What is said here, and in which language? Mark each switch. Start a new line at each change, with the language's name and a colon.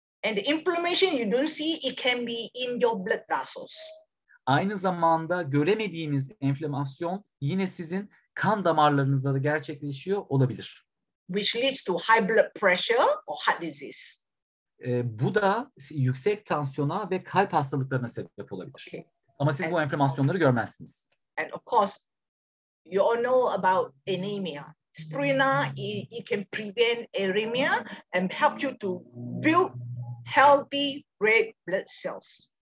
English: And the inflammation you don't see, it can be in your blood vessels.
Turkish: Aynı zamanda göremediğiniz enflamasyon yine sizin kan damarlarınızda da gerçekleşiyor olabilir.
English: Which leads to high blood pressure or heart disease.
Turkish: Bu da yüksek tansiyona ve kalp hastalıklarına sebep olabilir. Okay. Ama siz bu enflamasyonları görmezsiniz.
English: And of course, you all know about anemia. Spirulina, it can prevent anemia and help you to build healthy red blood cells.